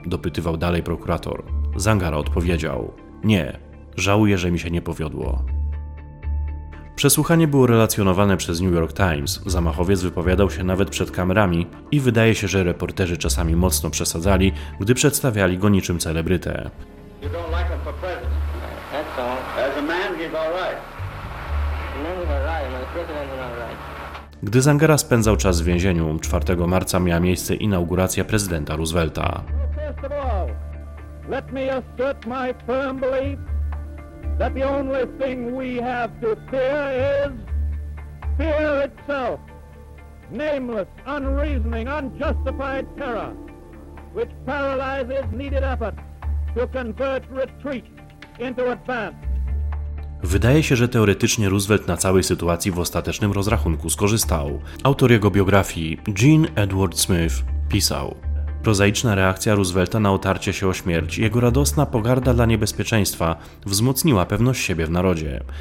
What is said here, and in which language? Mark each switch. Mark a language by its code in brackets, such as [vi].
[pl] Dopytywał dalej prokurator. Zangara odpowiedział. Nie. Żałuję, że mi się nie powiodło. Przesłuchanie było relacjonowane przez New York Times, zamachowiec wypowiadał się nawet przed kamerami i wydaje się, że reporterzy czasami mocno przesadzali, gdy przedstawiali go niczym celebrytę. [en] You don't like him for president. That's all. As a man, he's all right. As a man, he's all right. As a president, he's all right. [pl] Gdy Zangara spędzał czas w więzieniu, 4 marca miała miejsce inauguracja prezydenta Roosevelta. [en] First of all, let me assert my firm belief that the only thing we have to fear is fear itself. Nameless, unreasoning, unjustified terror which paralyzes needed effort. To convert retreat into advance. [pl] Wydaje się, że teoretycznie Roosevelt na całej sytuacji w ostatecznym rozrachunku skorzystał. Autor jego biografii, Jean Edward Smith, pisał: prozaiczna reakcja Roosevelta na otarcie się o śmierć, jego radosna pogarda dla niebezpieczeństwa wzmocniła pewność siebie w narodzie.